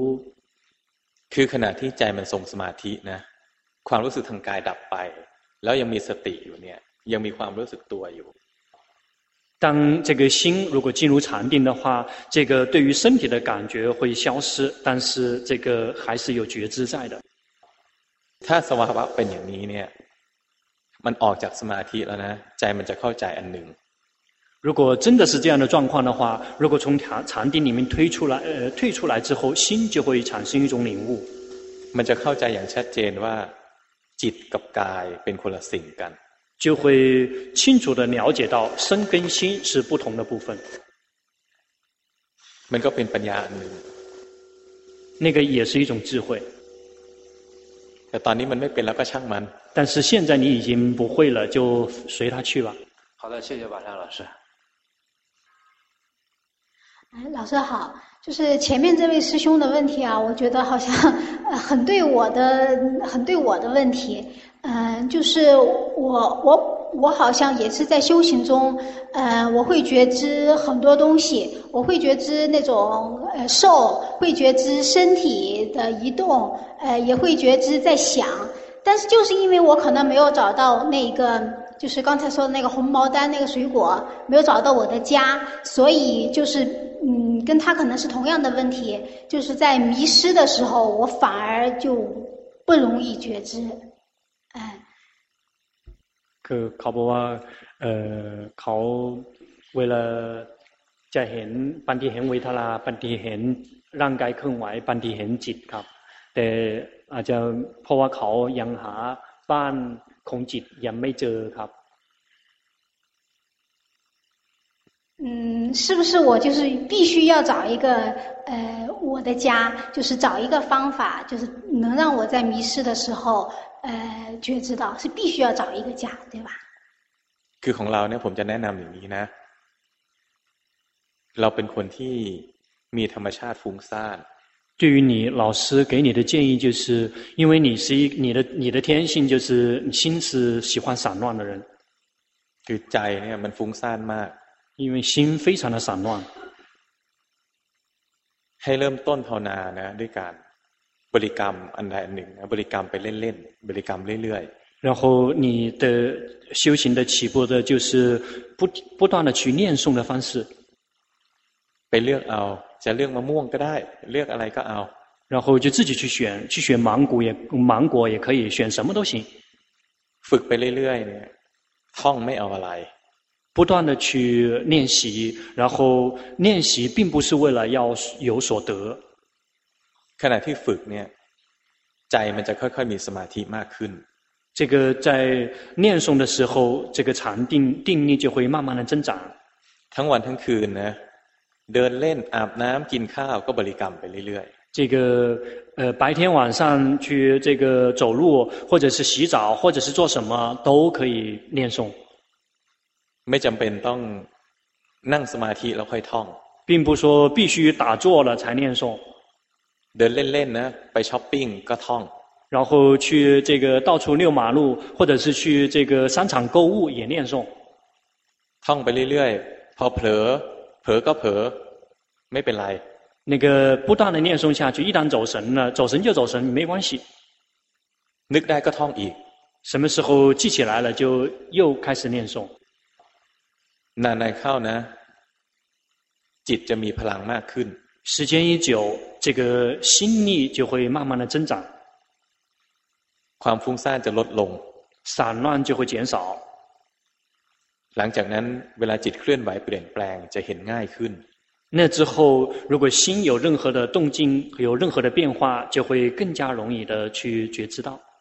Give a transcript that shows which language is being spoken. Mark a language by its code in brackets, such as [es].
[th] คือขณะที่ใจมันทรงสมาธินะความรู้สึกทางกายดับไปแล้วยังมีสติอยู่เนี่ย 仍มีความรู้สึกตัวอยู่ [zh] 当这个心如果进入禅定的话，这个对于身体的感觉会消失，但是这个还是有觉知在的。 [th] ถ้าสมาธิเป็นอย่างนี้เนี่ย，มันออกจากสมาธิแล้วนะ，ใจมันจะเข้าใจอันหนึ่ง。 [zh] 如果真的是这样的状况的话，如果从禅定里面推出来，退出来之后，心就会产生一种领悟。 [th] มันจะเข้าใจอย่างชัดเจนว่าจิตกับกายเป็นคนละสิ่งกัน。 [zh] 就会清楚地了解到身跟心是不同的部分。 [th] มันก็เป็นปัญญาอันหนึ่ง。 [zh] 那个也是一种智慧。 [th] แต่ตอนนี้มันไม่เป็นแล้วก็ช่างมัน。 [zh] 但是现在你已经不会了，就随他去吧。好的，谢谢马亮老师。哎，老师好，就是前面这位师兄的问题啊，我觉得好像很对我的，很对我的问题。就是我好像也是在修行中，我会觉知很多东西，我会觉知那种受，会觉知身体的移动，也会觉知在想，但是就是因为我可能没有找到那个，就是刚才说的那个红毛丹那个水果，没有找到我的家，所以就是跟他可能是同样的问题，就是在迷失的时候，我反而就不容易觉知。 [th] คือเขาบอกว่าเขาเวลาจะเห็นบางทีเห็นเวทนาบางทีเห็นร่างกายเคลื่อนไหวบางทีเห็นจิตครับแต่อาจจะเพราะว่าเขายังหาบ้านของจิตยังไม่เจอครับ [zh] 是不是我就是必须要找一个我的家，就是找一个方法，就是能让我在迷失的时候觉知到，是必须要找一个家，对吧？ [th] คือของเราเนี่ยผมจะแนะนำอย่างนี้นะเราเป็นคนที่มีธรรมชาติฟุ้งซ่าน [zh] 对于你老师给你的建议就是因为你是你的天性就是心是喜欢散乱的人 [th] คือใจเนี่ยมันฟุ้งซ่านมาก [zh] 因为心非常的散乱 [th] ให้เริ่มต้นภาวนานะด้วยการบริกรรมอันใดอันหนึ่งบริกรรมไปเล่นๆบริกรรมเรื่อย [zh] ๆ然后你的修行的起步的就是不断的去念诵的方式 [th] ไปเลือกเอาจะเลือกมะม่วงก็ได้เลือกอะไรก็เอา [zh] 然后就自己去选芒果也可以选什么都行 [th] ฝึกไปเรื่อยๆเนี่ยท่องไม่เอาอะไร [zh] 不断的去练习然后练习并不是为了要有所得 [th] ขณะที่ฝึกเนี่ยใจมันจะค่อยๆมีสมาธิมากขึ้น [zh] 这个在念诵的时候这个禅定定力就会慢慢的增长 [th] ทั้งวันทั้งคืนนะเดินเล่นอาบน้ำกินข้าวก็บริกรรมไปเรื่อย [zh] ๆ这个白天晚上去这个走路或者是洗澡或者是做什么都可以念诵 [th] ไม่จำเป็นต้องนั่งสมาธิแล้วค่อยท่อง [zh] 并不说必须打坐了才念诵 [th] เดินเล่นๆนะไปช้อปปิ้งก็ท่อง [zh] 然后去这个到处溜马路或者是去这个商场购物也念诵 [th] ท่องไปเรื่อยๆพอเผลอก็เผลอไม่เป็นไร [zh] 那个不断的念诵下去一旦走神了走神就走神没关系 [th] นึกได้ก็ท่องอีก [zh] 什么时候记起来了就又开始念诵 [th] นานๆเข้านะจิตจะมีพลังมากขึ้น [zh] 时间一久这个心力就会慢慢的增长 [th] ความฟุ้งซ่านจะลดลง [zh] 散乱就会减少 [th] หลังจากนั้นเวลาจิตเคลื่อนไหวเปลี่ยนแปลงจะเห็นง่ายขึ้น [zh] 那之后如果心有任何的动静有任何的变化就会更加容易的去觉知到